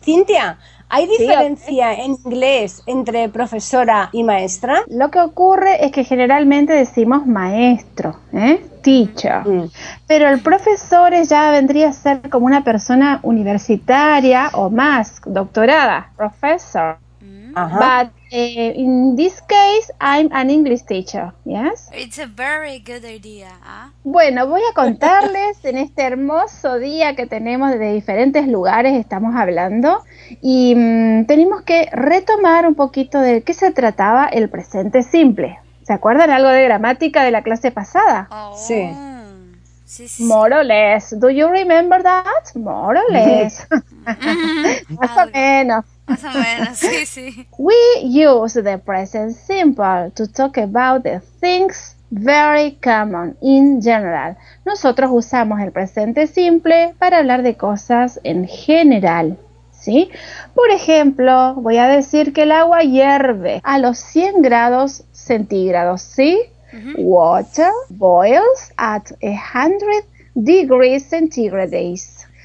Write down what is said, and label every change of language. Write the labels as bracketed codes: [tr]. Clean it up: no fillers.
[es] Cintia, ¿hay diferencia en inglés entre profesora y maestra? Lo que ocurre es que generalmente decimos maestro, teacher. Mm. Pero el profesor ya vendría a ser como una persona universitaria o más, doctorada, professor. [en] But in this case, I'm an English teacher, yes? It's a very good idea, [es] Bueno, voy a contarles en este hermoso día que tenemos de diferentes lugares, estamos hablando, y tenemos que retomar un poquito de qué se trataba el presente simple. ¿Se acuerdan algo de gramática de la clase pasada? Sí. Sí. [en] More or less. Do you remember that? More or less. [es] Más o menos. Más o menos, sí. [en] We use the present simple to talk about the things very common in general. [es] Nosotros usamos el presente simple para hablar de cosas en general, ¿sí? Por ejemplo, voy a decir que el agua hierve a los 100 grados centígrados, ¿sí? Uh-huh. [en] Water boils at 100 degrees centígrados.